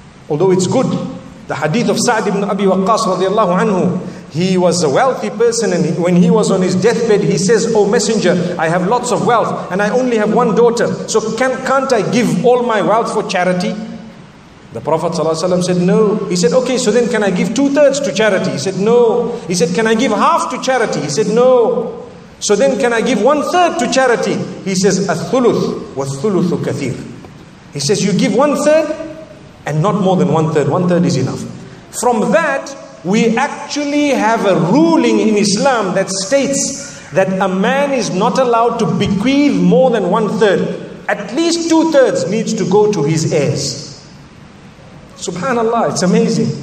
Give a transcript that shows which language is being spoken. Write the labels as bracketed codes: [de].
[en] Although it's good, the hadith of Sa'd ibn Abi Waqqas radiallahu anhu, he was a wealthy person, and when he was on his deathbed, he says, "Oh messenger, I have lots of wealth and I only have one daughter. So can't I give all my wealth for charity?" The Prophet ﷺ said, no. He said, okay, so then can I give 2/3 to charity? He said, no. He said, can I give 1/2 to charity? He said, no. So then can I give 1/3 to charity? He says, [ar] الثلث والثلث كثير. [en] He says, you give 1/3 and not more than 1/3. 1/3 is enough. From that, we actually have a ruling in Islam that states that a man is not allowed to bequeath more than one third. At least two thirds needs to go to his heirs. Subhanallah, it's amazing.